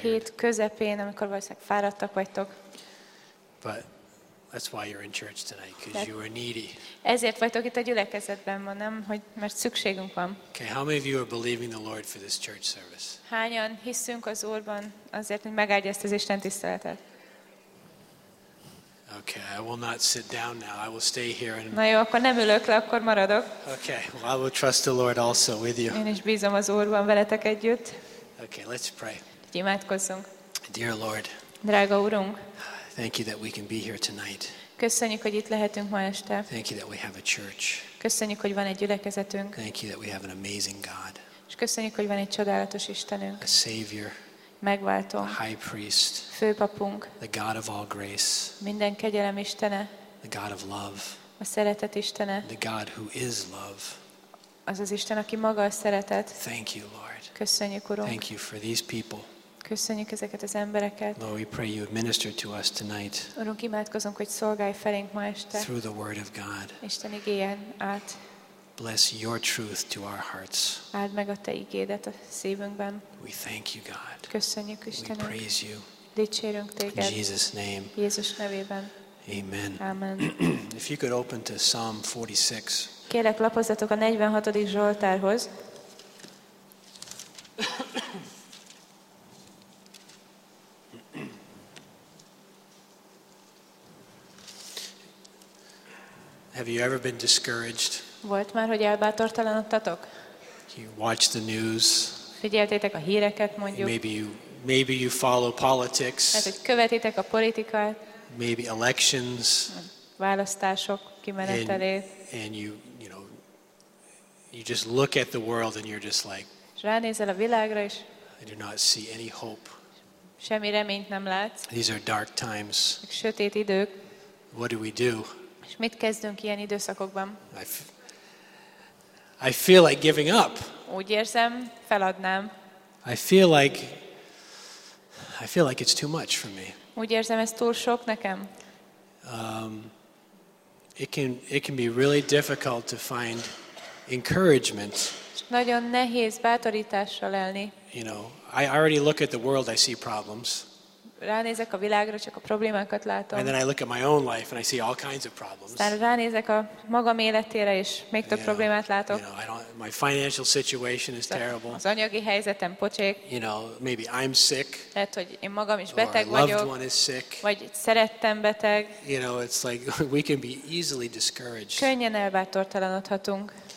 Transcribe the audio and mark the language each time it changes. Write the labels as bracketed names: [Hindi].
[Hungarian] Hét közepén, amikor valószínűleg fáradtak vagytok. [English] But that's why you're in church tonight, because you are needy. [Hungarian] Ezért vagytok itt a gyülekezetben, mondom, hogy mert szükségünk van. [English] Okay, how many of you are believing the Lord for this church service? [Hungarian] Hányan hiszünk az Úrban azért, hogy megáldja ezt az Isten tiszteletet? [English] Okay, I will not sit down now. I will stay here and. [Hungarian] Na jó, akkor nem ülök le, akkor maradok. [English] Okay, well, I will trust the Lord also with you. [Hungarian] Én is bízom az Úrban veletek együtt. [English] Okay, let's pray. [Hungarian] Imádkozzunk. [English] Dear Lord. [Hungarian] Drága Úrunk. [English] Thank you that we can be here tonight. [Hungarian] Köszönjük, hogy itt lehetünk ma este. [English] Thank you that we have a church. [Hungarian] Köszönjük, hogy van egy gyülekezetünk. [English] Thank you that we have an amazing God. [Hungarian] És köszönjük, hogy van egy csodálatos Istenünk. [English] A Savior. [Hungarian] Megváltó. [English] A High Priest. [Hungarian] Főpapunk. [English] The God of all grace. [Hungarian] Minden kegyelem Istene. [English] The God of love. [Hungarian] A szeretet Istene. [English] The God who is love. [Hungarian] Az az Isten, aki maga a szeretet. [English] Thank you, Lord. [Hungarian] Köszönjük, Urunk. [English] Thank you for these people. [Hungarian] Köszönjük ezeket az embereket. [English] Lord, we pray you minister to us tonight. [Hungarian] Urunk, imádkozunk, hogy szolgálj felénk ma este. [English] Through the word of God. [Hungarian] Isten igéjén át. [English] Bless your truth to our hearts. [Hungarian] Áld meg a te igédet a szívünkben. [English] We thank you, God. [Hungarian] Köszönjük, Istenünk. [English] We praise you. [Hungarian] Dicsérünk téged. [English] In Jesus' name. [Hungarian] Jézus nevében. [English] Amen. [Hungarian] Amen. [English] If you could open to Psalm 46. [Hungarian] Kérlek, lapozzatok a 46. Zsoltárhoz. [English] Have you ever been discouraged? [Hungarian] Volt már, hogy elbátortalanodtatok? [English] You watch the news. [Hungarian] Figyeltétek a híreket, mondjuk. [English] Maybe you follow politics. [Hungarian] Hát, hogy követitek a politikát. [English] Maybe elections. [Hungarian] Választások kimenetelét. [English] And you just look at the world and you're just like. [Hungarian] Ránézel a világra is. [English] I do not see any hope. [Hungarian] Semmi reményt nem látsz. [English] These are dark times. [Hungarian] Sötét idők. [English] What do we do? [Hungarian] És mit kezdünk ilyen időszakokban? [English] I feel like giving up. [Hungarian] Úgy érzem, feladnám. [English] I feel like it's too much for me. [Hungarian] Úgy érzem, ez túl sok nekem. [English] It can be really difficult to find encouragement. [Hungarian] Nagyon nehéz bátorítással élni. [English] You know, I already look at the world, I see problems. [Hungarian] Ránézek a világra, csak a problémákat látom. [English] And then I look at my own life and I see all kinds of problems. [Hungarian] Aztán ránézek a magam életére és még több problémát látok. [English] You know, my financial situation is terrible. [Hungarian] Az anyagi helyzetem pocsék. [English] You know, maybe I'm sick. [Hungarian] Lehet, hogy én magam is beteg vagyok. [English] Or a loved one is sick. [Hungarian] Vagy szerettem beteg. [English] You know, it's like we can be easily discouraged. [Hungarian] Könnyen elbátortalanodhatunk.